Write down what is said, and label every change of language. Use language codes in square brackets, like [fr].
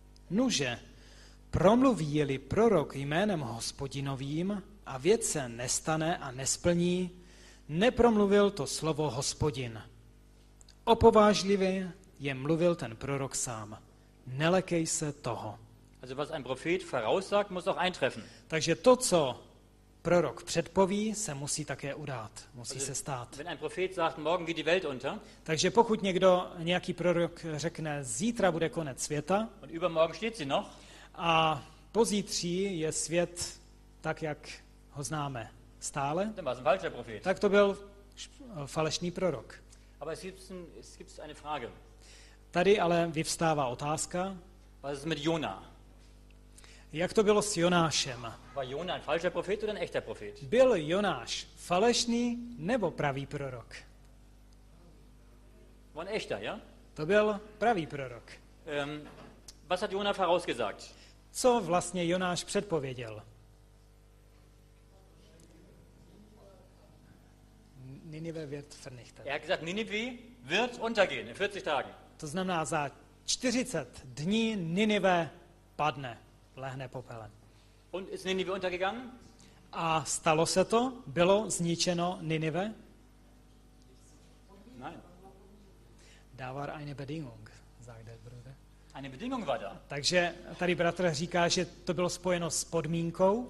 [cs] Nuže, promluví-li prorok jménem Hospodinovým a věc se nestane a nesplní, nepromluvil to slovo Hospodin. Opovážlivě je mluvil ten prorok sám. Nelekej se toho. [de] Also was ein Prophet voraussagt, muss auch eintreffen. [cs] Takže to, co prorok předpoví, se musí také udát, musí se stát. [de] Wenn ein Prophet sagt, morgen geht die Welt unter, [cs] takže pokud někdo, nějaký prorok řekne, zítra bude konec světa, [de] und übermorgen steht sie noch, [cs] a pozítří je svět tak, jak ho známe stále, [de] dann war es ein falscher Prophet. [cs] Tak to byl falešný prorok. [de] Aber es gibt eine Frage. [cs] Tady ale vyvstává otázka. [de] Was ist mit Jonah? [cs] Jak to bylo s Jonášem? [de] War Jonah ein falscher Prophet oder ein echter Prophet? [cs] Byl Jonáš falešný nebo pravý prorok? [de] War ein echter, ja? [cs] To byl pravý prorok. [de] Was hat Jonah vorausgesagt? [cs] Co vlastně Jonáš předpověděl? [de] Ninive wird vernichtet. Er hat gesagt, Ninive wird untergehen in 40 Tagen. [cs] To znamená, za 40 dní Ninive padne, lehne popelem. [de] Und ist Ninive untergegangen? [cs] A stalo se to? Bylo zničeno Ninive? [de] Nein. Da war eine Bedingung, sagt der Bruder. Eine Bedingung war da. [cs] Takže tady bratr říká, že to bylo spojeno s podmínkou.